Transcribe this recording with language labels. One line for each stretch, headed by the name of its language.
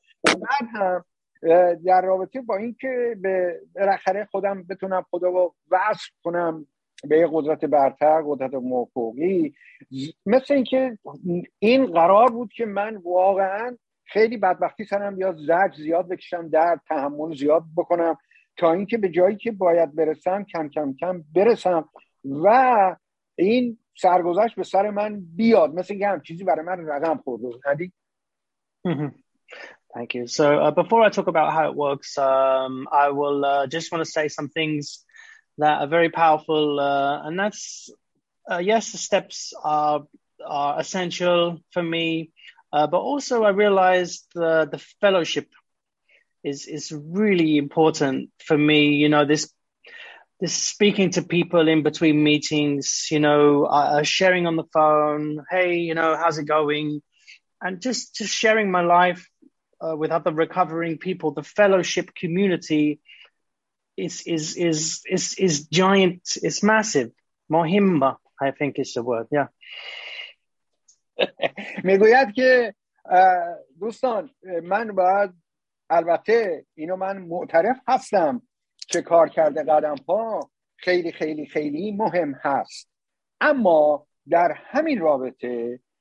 Persian: من هم در رابطه با این که به بالاخره خودم بتونم خدا رو وصف کنم به یه قدرت برتر، قدرت موفقی، مثل این که این قرار بود که من واقعا خیلی بدبختی سرم یا زرج زیاد بکشم، درد تحمل زیاد بکنم تا این که به جایی که باید برسم کم کم کم برسم و این سرگذشت به سر من بیاد، مثل این که هم چیزی برای من رقم خورد. ندی؟
English: Thank you. So before I talk about how it works, I will just want to say some things that are very powerful. And that's, yes, the steps are essential for me. But also I realized the fellowship is really important for me. You know, this speaking to people in between meetings, you know, sharing on the phone. Hey, you know, how's it going? And just sharing my life with other recovering people, the fellowship community is giant, it's massive. Mohimba, I think is the word. Yeah.
Persian: میگوید که دوستان من باید، البته اینو من معترف هستم که کار کرده قدم ها خیلی خیلی خیلی مهم هست، اما در همین رابطه